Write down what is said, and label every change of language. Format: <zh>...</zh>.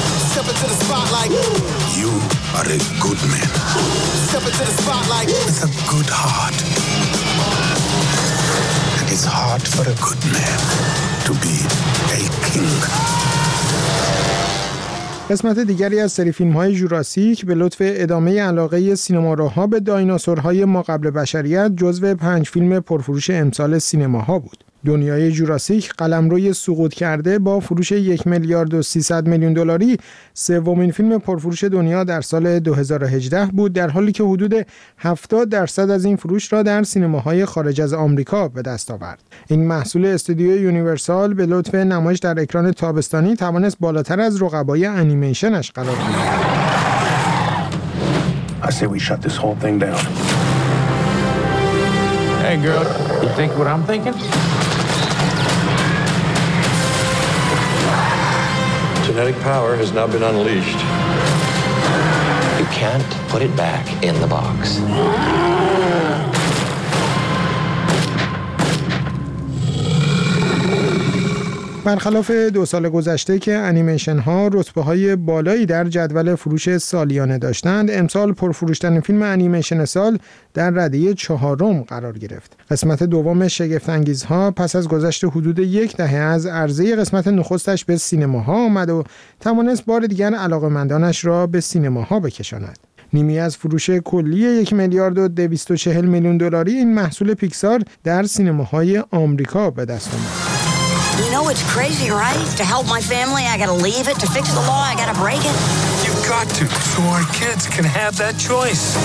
<en>Step into the spotlight. You are a good man. Step into the spotlight. With a good heart. And it's hard for a good man to be a king.</en> <fa>قسمت دیگری از سری فیلم‌های جوراسیک به لطف ادامه علاقه سینماروها به دایناسورهای ماقبل بشریت جزو 5 فیلم پرفروش امسال سینماها بود. دنیای جوراسیک قلمروی سقوط کرده با فروش 1.3 میلیارد دلاری سومین فیلم پرفروش دنیا در سال 2018 بود، در حالی که حدود 70% از این فروش را در سینماهای خارج از آمریکا به دست آورد. این محصول استودیو یونیورسال به لطف نمایش در اکران تابستانی توانست بالاتر از رقبای انیمیشنش قرار گیرد.</fa> <en>I say we shut this whole thing down. Hey girl, you think what I'm thinking? Genetic power has now been unleashed. You can't put it back in the box.</en> <fa>برخلاف دو سال گذشته که انیمیشن ها رتبه های بالایی در جدول فروش سالیانه داشتند، امسال پرفروشترین فیلم انیمیشن سال در رده چهارم قرار گرفت. قسمت دوم شگفت انگیز ها پس از گذشت حدود یک دهه از عرضه قسمت نخستش به سینماها آمد و توانست بار دیگر علاقه‌مندانش را به سینماها بکشاند. نیمی از فروش کلی 1,240,000,000 دلاری این محصول پیکسار در سینماهای آمریکا به دست آمد.</fa> <en>You know it's crazy, right? To help my family, I gotta leave it. To fix the law, I gotta break it. You've got to, so our kids can have that choice.</en>